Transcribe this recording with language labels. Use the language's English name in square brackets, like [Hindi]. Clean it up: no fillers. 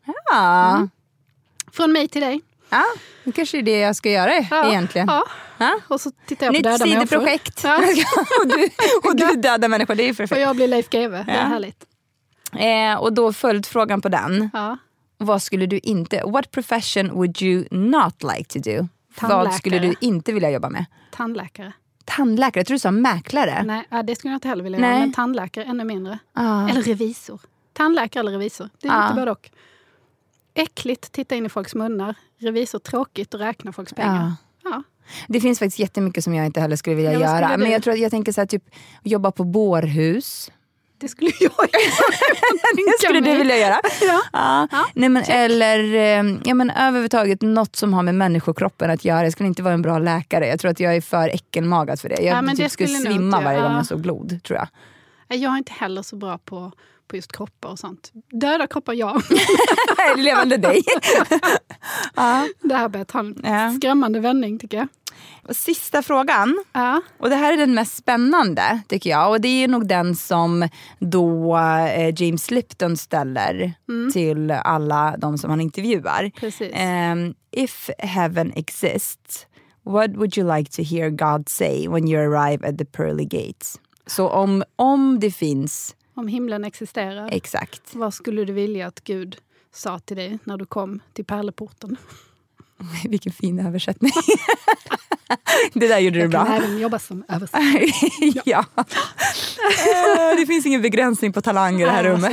[Swedish] Ja. Mm. Från mig till dig. Ja, det kanske är det jag ska göra egentligen. Ja. Ja. Och så tittar jag på döda människor. Nytt sideprojekt. Ja. och du döda människor, det är perfekt. Och jag blir Leif GW, det är härligt. Och då följt frågan på den. Ja. Vad skulle du inte... [English] What profession would you not like to do? [Swedish] Vad skulle du inte vilja jobba med? Tandläkare? Jag tror du sa mäklare. Nej, det skulle jag inte heller vilja göra. Men tandläkare, ännu mindre. Eller revisor. Tandläkare eller revisor. Det är inte både och. Äckligt, titta in i folks munnar. Revisor, tråkigt och räkna folks pengar. Det finns faktiskt jättemycket som jag inte heller skulle vilja göra. Men jag tror att jag tänker så här, typ jobba på bårhus... Det skulle jag göra. Skulle du vilja göra? Ja. Nej, men check. Eller överhuvudtaget något som har med människokroppen att göra. Jag skulle inte vara en bra läkare. Jag tror att jag är för äckelmagad för det. Jag skulle svimma varje gång jag såg blod, tror jag. Jag är inte heller så bra på just kroppar och sånt. Döda kroppar, ja. Levande dig. Det här börjar ta en skrämmande vändning, tycker jag. Sista frågan, och det här är den mest spännande, tycker jag. Och det är nog den som då James Lipton ställer till alla de som han intervjuar. Precis. [English] If heaven exists, what would you like to hear God say when you arrive at the pearly gates? [Swedish] Så om det finns... Om himlen existerar. Exakt. Vad skulle du vilja att Gud sa till dig när du kom till pärleporten? Vilken fin översättning. Det där gjorde du bra. Jag kan även jobba som översatt. Ja. Det finns ingen begränsning på talang i det här rummet.